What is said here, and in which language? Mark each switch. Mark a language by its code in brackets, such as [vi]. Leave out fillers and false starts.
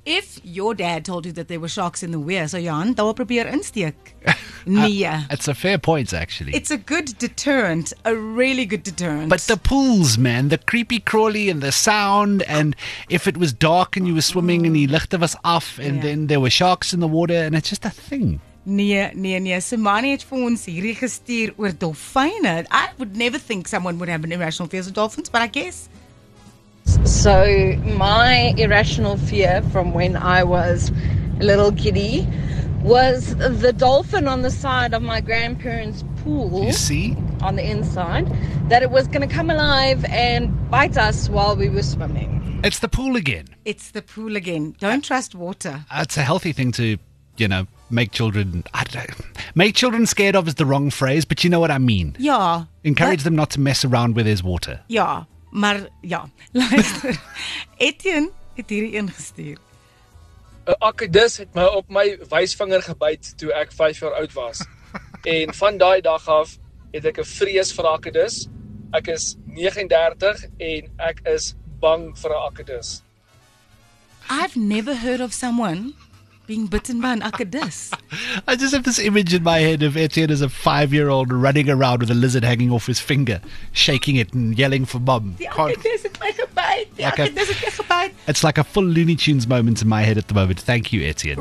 [en] If your dad told you that there were sharks in the weir, so Jan, [af] dat wil probeer insteek. Nee. [en] It's a fair point, actually. It's a good deterrent, a really good deterrent. But the pools, man, the creepy crawly and the sound, and if it was dark and you were swimming and [af] die ligte was af, [en] and then there were sharks in the water, and it's just a thing. [af] Nee. Simani het vir ons hierdie gestuur oor dolfyne. [en] I would never think someone would have an irrational fear of dolphins, but I guess... So my irrational fear from when I was a little kiddie was the dolphin on the side of my grandparents' pool. You see? On the inside, that it was going to come alive and bite us while we were swimming. It's the pool again. It's the pool again. Don't trust water. It's a healthy thing to, you know, make children, make children scared of is the wrong phrase, but you know what I mean. Yeah. Encourage them not to mess around where there's water. Yeah. [af] Maar ja, luister, Etienne het hierdie een gestuur. 'N akedus het my op my wysvinger gebyt toe ek 5 jaar oud was. En van daai dag af het ek 'n vrees vir akedus. Ek is 39 en ek is bang vir 'n akedus. [en] I've never heard of someone being bitten by an akkadis. I just have this image in my head of Etienne as a 5-year-old running around with a lizard hanging off his finger, shaking it and yelling for mum. The akkadis is like a bite. It's like a full Looney Tunes moment in my head at the moment. Thank you, Etienne.